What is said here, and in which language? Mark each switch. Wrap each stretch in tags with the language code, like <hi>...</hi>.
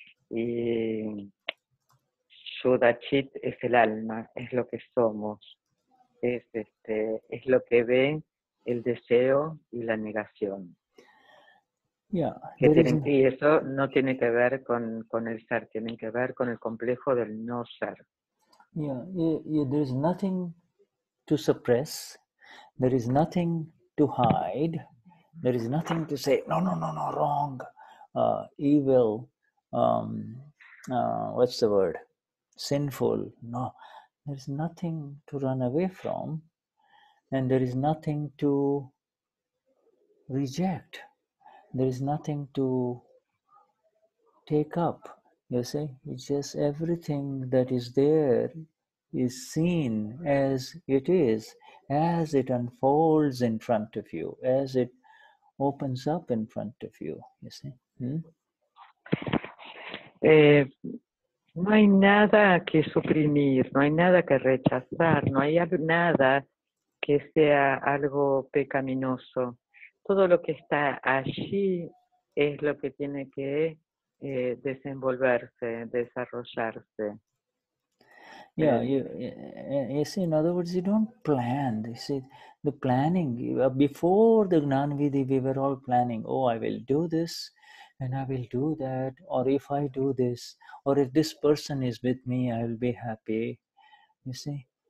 <es>Y Sudachit es el alma, es lo que somos. Es lo que ve el deseo y la negación. Y eso no tiene que ver con el ser, tiene que ver con el complejo del no ser.</es> <en>There is nothing to suppress, there is nothing to hide, there is nothing to say, no, wrong, evil, what's the word, sinful, no. There is nothing to run away from, and there is nothing to reject. There is nothing to take up, you see? It's just everything that is there is seen as it is, as it unfolds in front of you, as it opens up in front of you, you see?</en> <es>No hay nada que suprimir, no hay nada que rechazar, no hay nada que sea algo pecaminoso. Todo lo que está allí es lo que tiene que desenvolverse, desarrollarse.</es> <en>You see, in other words, you don't plan. You see, the planning, before the Gnanvidhi, we were all planning, oh, I will do this, and I will do that, or if I do this, or if this person is with me, I will be happy, you see.</en>